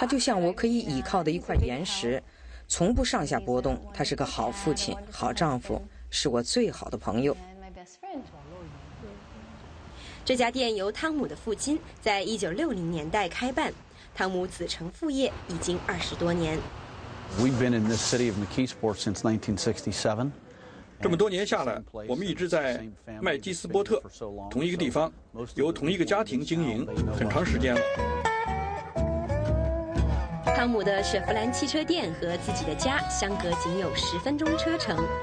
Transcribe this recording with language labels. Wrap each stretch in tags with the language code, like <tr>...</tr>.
<zh>他就像我可以倚靠的一块岩石，从不上下波动。他是个好父亲、好丈夫，是我最好的朋友。这家店由汤姆的父亲在1960年代开办。汤姆子承父业已经20多年。</zh> <en>We've been in this city of McKeesport since 1967.</en> <zh>这么多年下来，我们一直在麦基斯波特，同一个地方，由同一个家庭经营，很长时间了。汤姆的雪佛兰汽车店和自己的家相隔仅有10分钟车程。</zh>